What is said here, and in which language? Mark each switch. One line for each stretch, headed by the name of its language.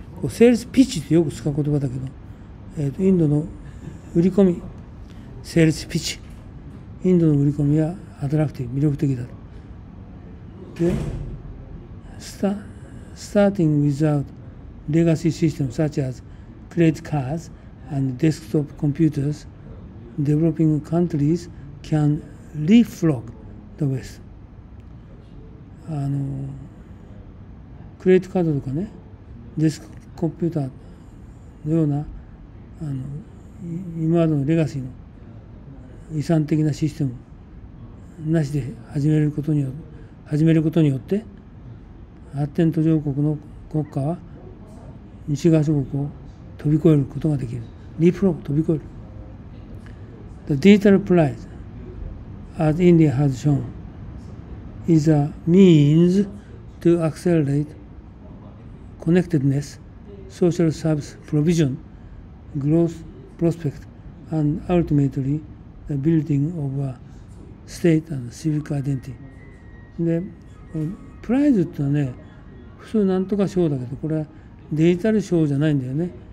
Japanese: セールスピッチってよく使う言葉だけど、インドの売り込み、セールスピッチ、インドの売り込みはアトラクティブ、魅力的だと。
English: で、starting without legacy systems such as credit cards and desktop computers, developing countries can leapfrog the West。
Japanese: クレジットカードとかね、デスクコンピューターのような今までのレガシーの遺産的なシステムなしで始めることによって、発展途上国の国家は西側諸国を飛び越えることができる。リプロを飛び越える。
English: The digital price, as India has shown, is a means to accelerate connectedness, social service provision, growth prospect, and ultimately the building of a state and civic identity.
Japanese: で、プライズってのはね、普通なんとか賞だけど、これはデジタル賞じゃないんだよね。